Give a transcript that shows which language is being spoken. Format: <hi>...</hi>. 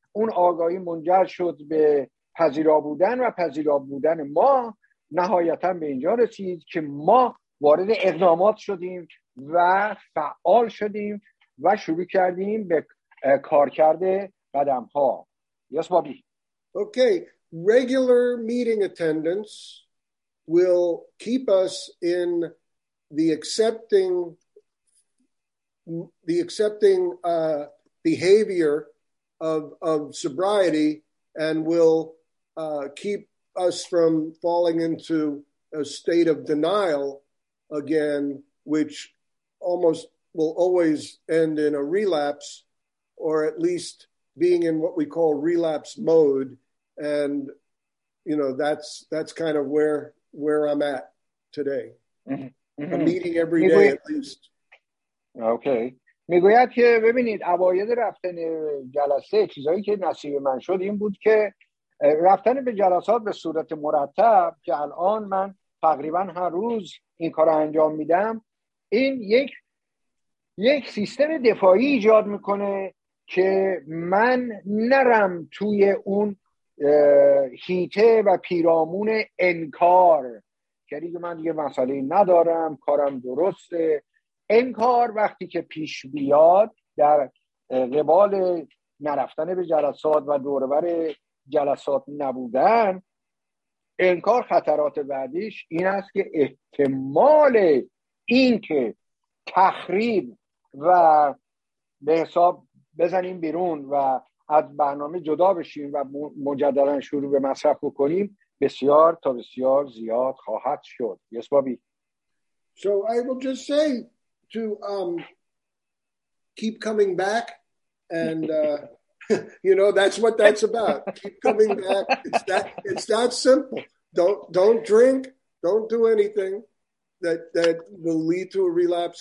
<fa>اون آگاهی منجر شد به پذیرا بودن و پذیرا بودن ما نهایتاً به اینجا رسید که ما وارد اقدامات شدیم و فعال شدیم و شروع کردیم به کار کرده قدم ها.</fa> <en>Yes, Bobby. Okay, regular meeting attendance will keep us in the accepting behavior of sobriety and will keep us from falling into a state of denial again, which almost will always end in a relapse, or at least being in what we call relapse mode. And, you know, that's kind of where I'm at. today. A meeting every day at least. Okay.</en> <fa>میگوید که ببینید اوایل رفتن جلسه چیزایی که نصیب من شد این بود که رفتن به جلسات به صورت مرتب که الان من تقریبا هر روز این کار رو انجام میدم، این یک سیستم دفاعی ایجاد میکنه که من نرم توی اون هیته و پیرامون انکار که دیگه من دیگه مسئله ندارم، کارم درسته. انکار وقتی که پیش بیاد در قبال نرفتن به جلسات و دوربر جلسات نبودن، انکار خطرات بعدیش این است که احتمال این که تخریب و به حساب بزنیم بیرون و از برنامه جدا بشیم و مجددا شروع به مصرف بکنیم بسیار تا بسیار زیاد خواهد شد.</fa> <en>Yes, Bobby. So I will just say to keep coming back and you know that's what that's about. Keep coming back. It's that simple. Don't drink, don't do anything that will lead to a relapse.</en>